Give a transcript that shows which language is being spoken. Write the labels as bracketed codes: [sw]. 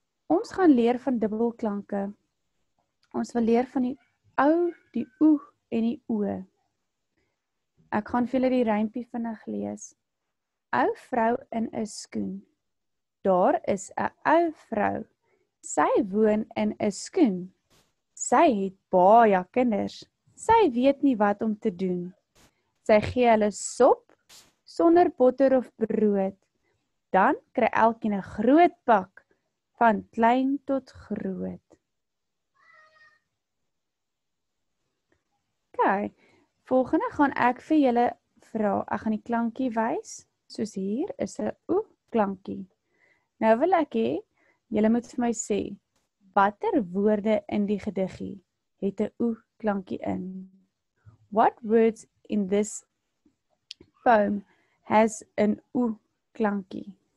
[af] Ons gaan leer van dubbelklanke. Ons wil leer van die ou, die oe en die oe. Ek gaan vir julle die rympie vinnig lees. Ou vrou in 'n skoen. Daar is 'n ou vrou. Sy woon in 'n skoen. Sy het baie kinders. Sy weet nie wat om te doen. Sy gee hulle sop, sonder botter of brood. Dan kry elkeen 'n groot pak, van klein tot groot. Okay, volgende gaan ek vir julle vra, ek gaan die klankie wys, soos hier is 'n oe klankie. Nou wil ek hê, julle moet vir my sê, watter woorde in die gediggie het 'n oe klankie in? [en] What words in this poem has an [af] oe klankie?